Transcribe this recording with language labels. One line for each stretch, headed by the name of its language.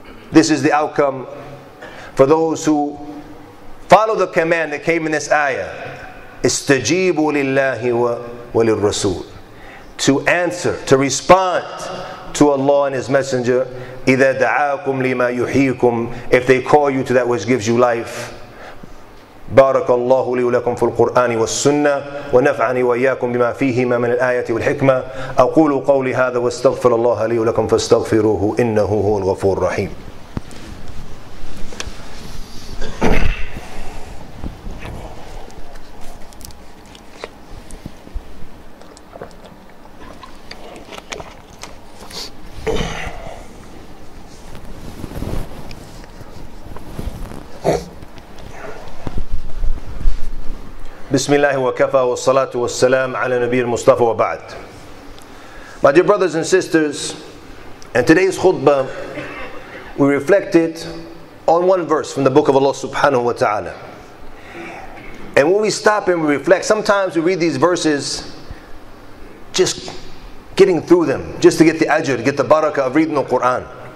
English: This is the outcome for those who follow the command that came in this ayah,
Arabic: استجيبوا لله وللرسول,
English: to answer, to respond to Allah and His Messenger.
Arabic: إِذَا دَعَاكُمْ لِمَا يُحْيِيكُمْ,
English: if they call you to that which gives you life,
Arabic: بارك الله لي ولكم في القرآن والسنة ونفعني وإياكم بما فيهما من الآية والحكمة أقول قولي هذا واستغفر الله لي ولكم فاستغفروه إنه هو الغفور الرحيم. بسم الله وكفى والصلاة والسلام على نبي المصطفى وبعد.
English: My dear brothers and sisters, in today's khutbah, we reflected on one verse from the book of Allah subhanahu wa ta'ala. And when we stop and we reflect, sometimes we read these verses just getting through them, just to get the ajr, get the barakah of reading the Quran.